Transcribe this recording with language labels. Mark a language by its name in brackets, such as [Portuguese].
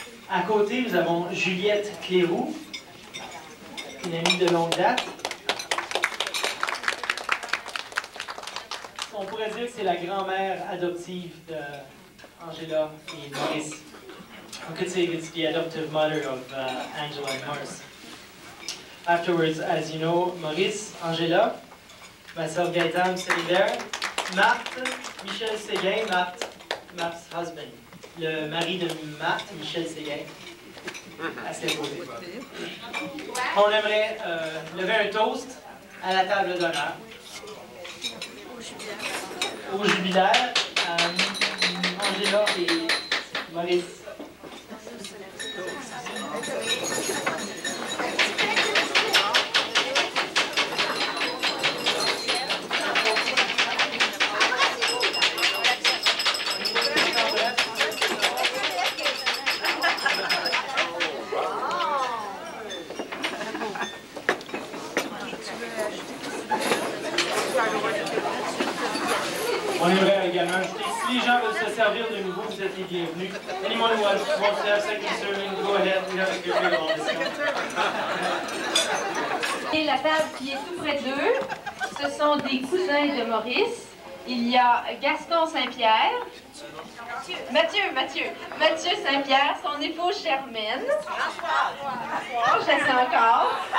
[French] À côté, nous avons Juliette Cléroux, une amie de longue date. On pourrait dire que c'est la grand-mère adoptive d'Angela et Maurice. [English] We could say it's the adoptive mother of Angela and Maurice. Afterwards, as you know, Maurice, Angela, myself, Gaëtan, I'm sitting there. Marthe, Michel Séguin, Marthe, Marthe's husband. [French] Le mari de Marthe, Michel Séguin. Assez beau. On aimerait lever un toast à la table d'honneur. Au jubilaire. Au jubilaire, Angela et Maurice. On aimerait également ajouter, si les gens veulent se servir de nouveau, vous êtes les bienvenus. [English] Anyone who wants to have second serving, go ahead, we have a good meal on this one. [French] Et la table qui est tout près d'eux, ce sont des cousins de Maurice. Il y a Gaston Saint-Pierre, Mathieu Saint-Pierre, son épouse Germaine. Oh, je sais encore.